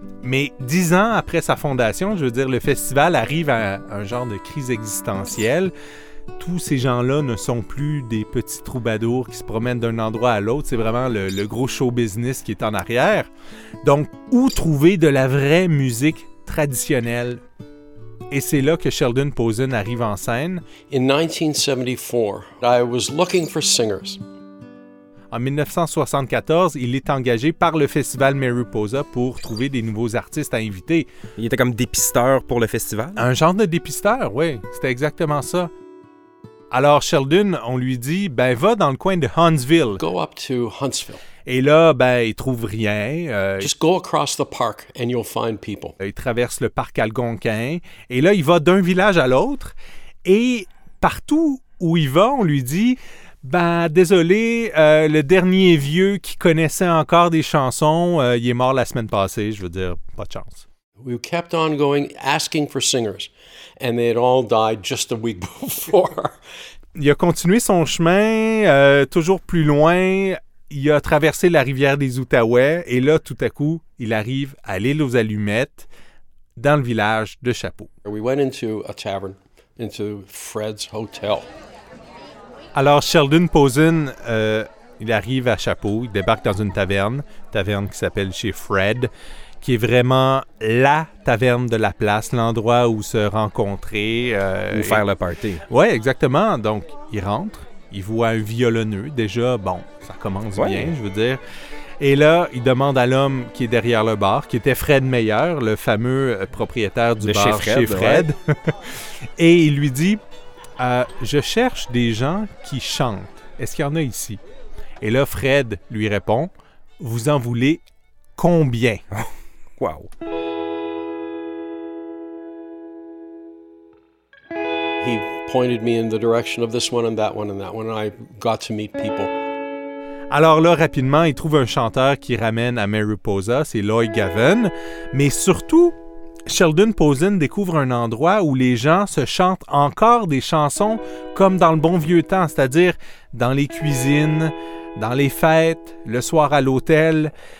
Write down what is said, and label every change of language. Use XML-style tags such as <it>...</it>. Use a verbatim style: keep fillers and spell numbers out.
<fr>Mais dix ans après sa fondation, je veux dire, le festival arrive à un genre de crise existentielle. Tous ces gens-là ne sont plus des petits troubadours qui se promènent d'un endroit à l'autre. C'est vraiment le, le gros show business qui est en arrière. Donc, où trouver de la vraie musique traditionnelle? Et c'est là que Sheldon Posen arrive en scène.</fr> <en>In nineteen seventy-four, I was looking for singers.</en> <fr>En dix-neuf cent soixante-quatorze, il est engagé par le festival Mariposa pour trouver des nouveaux artistes à inviter. Il était comme dépisteur pour le festival? Un genre de dépisteur, oui. C'était exactement ça. Alors Sheldon, on lui dit, ben va dans le coin de Huntsville.</fr> <en>Go up to Huntsville.</en> <fr>Et là, ben il trouve rien. Euh,</fr> <en>Just go across the park and you'll find people.</en> <fr>Il traverse le parc algonquin. Et là, il va d'un village à l'autre. Et partout où il va, on lui dit, ben désolé, euh, le dernier vieux qui connaissait encore des chansons, euh, il est mort la semaine passée. Je veux dire, pas de chance.</fr> <en>We kept on going, asking for singers, and they had all died just a week before.</en> <fr>Il a continué son chemin, euh, toujours plus loin. Il a traversé la rivière des Outaouais, et là, tout à coup, il arrive à l'île aux Allumettes, dans le village de Chapeau.</fr> <en>We went into a tavern, into Fred's Hotel.</en> <fr>Alors, Sheldon Posen, euh, il arrive à Chapeau, il débarque dans une taverne, taverne qui s'appelle chez Fred, qui est vraiment la taverne de la place, l'endroit où se rencontrer. Euh, Ou faire et... le party. Oui, exactement. Donc, il rentre, il voit un violonneux. Déjà, bon, ça commence ouais. bien, je veux dire. Et là, il demande à l'homme qui est derrière le bar, qui était Fred Meyer, le fameux propriétaire du de bar chez Fred. Chez Fred. Ouais. Et il lui dit, euh, je cherche des gens qui chantent. Est-ce qu'il y en a ici? Et là, Fred lui répond, vous en voulez combien? Wow.</fr> <en>He pointed me in the direction of this one and that one and that one, and I got to meet people.</en> <fr>Alors là, rapidement, il trouve un chanteur qui ramène à Mariposa, c'est Lloyd Gavin, mais surtout, Sheldon Posen découvre un endroit où les gens se chantent encore des chansons comme dans le bon vieux temps, c'est-à-dire dans les cuisines, dans les fêtes, le soir à l'hôtel.</fr>